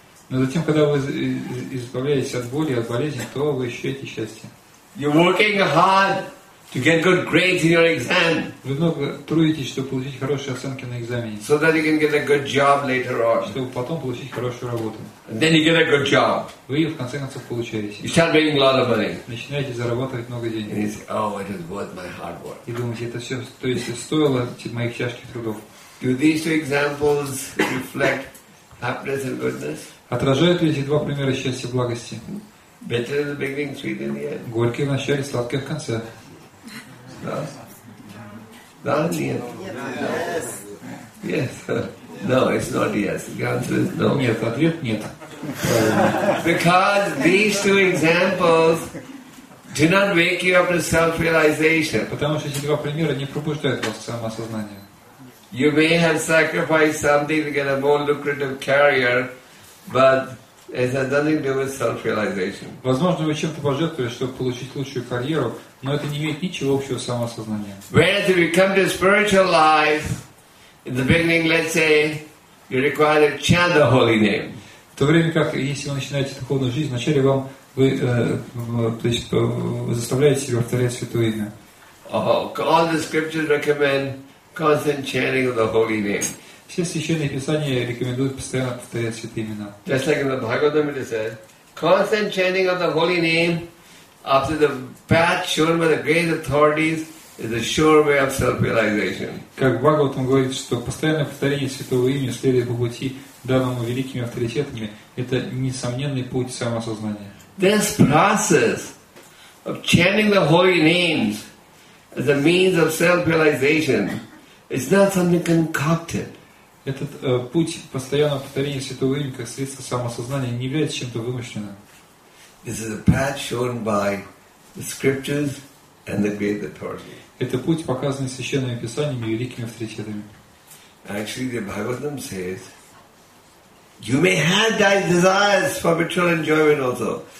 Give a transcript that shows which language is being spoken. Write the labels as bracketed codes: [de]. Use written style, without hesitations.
[ru] Но затем, когда вы избавляетесь от боли, от болезни, то вы ищете счастье. [en] You're working hard to get good grades in your exam. [ru] Вы много трудитесь, чтобы получить хорошие оценки на экзамене. [en] So that you can get a good job later on. [ru] Чтобы потом получить хорошую работу. [en] And then you get a good job. [ru] Вы ее в конце концов получаете. [en] You start making a lot of money. [ru] Начинаете зарабатывать много денег. [en] And you say, oh, it is worth my hard work. [ru] И думаете, это все, то есть стоило моих тяжких трудов. [en] Do these two examples reflect happiness and goodness? [ru] Отражают ли эти два примера счастья и благости? [en] Bitter in the beginning, sweet in the end. [ru] Горькое в начале, сладкое в конце. Да? Да или нет? [en] Yes. No, it's not yes. The answer is no. [ru] Нет, ответ нет. [en] Because these two examples do not wake you up to self-realization. [ru] Потому что эти два примера не пробуждают вас к самоосознанию. [en] You may have sacrificed something to get a more lucrative career, but it has nothing to do with self-realization. [ru] Возможно, вы чем-то пожертвовали, чтобы получить лучшую карьеру, но это не имеет ничего общего с самоосознанием. [en] Whereas if you come to spiritual life, in the beginning, let's say, you require to chant the holy name. [ru] В то время как, если вы начинаете духовную жизнь, вначале вам вы, то есть, вы заставляете себя повторять святое имя. [en] Oh, all the scriptures recommend constant chanting of the holy name. [ru] Все священные писания рекомендуют постоянно повторять святые имена. [en] Just like in the Bhagavatam it says, constant chanting of the holy name after the path shown by the great authorities is a sure way of self-realization. [ru] Как Бхагаватам говорит, что постоянное повторение святого имени, следуя по пути, данному великими авторитетами, это несомненный путь самосознания. [en] This process of chanting the holy names as a means of self-realization is not something concocted. [ru] Этот путь постоянного повторения святого имени как средство самосознания не является чем-то вымышленным. [en] This is a path shown by the scriptures and the great authority. [ru] Это путь, показанный священными писаниями и великими авторитетами. [en] Actually, the Bhagavatam says, "You may have thy desires for material enjoyment also.